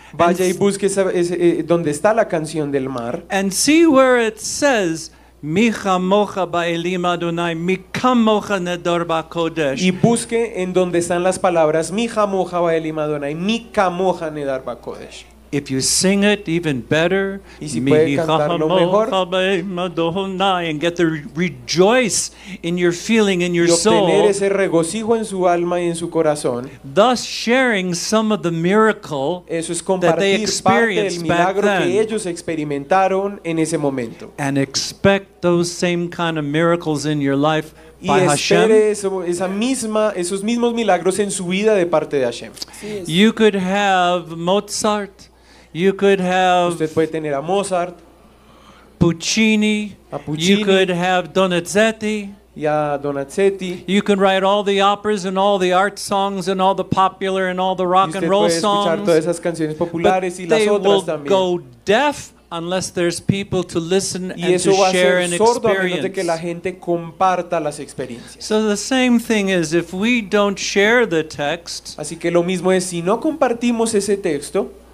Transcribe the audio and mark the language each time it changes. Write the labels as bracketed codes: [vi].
[es] Vaya y busque donde está la canción del mar. [en] And see where it says [he] Micha mocha ba'elim Adonai, micha mocha nedor ba'kodesh. [es] Y busque en donde están las palabras [he] Micha mocha ba'elim Adonai, micha mocha nedor ba'kodesh. [en] If you sing it even better, [he] micha mocha ba'elim Adonai, [en] and get the rejoice in your feeling, in your soul. [es] Y obtener ese regocijo en su alma y en su corazón. [en] Thus sharing some of the miracle that they experienced back then. [es] Eso es compartir que ellos experimentaron en ese momento. [en] And expect those same kind of miracles in your life. [es] Y espere esos mismos milagros en su vida de parte de Hashem. [en] You could have Mozart. You could have. [es] Usted puede tener a Mozart. [en] Puccini. [es] A Puccini. [en] You could have Donizetti. [es] Y a Donizetti. [en] You can write all the operas and all the art songs and all the popular and all the rock and roll songs. [es] Usted puede escuchar todas esas canciones populares y las otras también. [en] But they will go deaf unless there's people to listen and to share an experience. [es] Que la gente comparta las experiencias. [en] So the same thing is if we don't share the text. [es] Así que lo mismo es si no compartimos ese texto.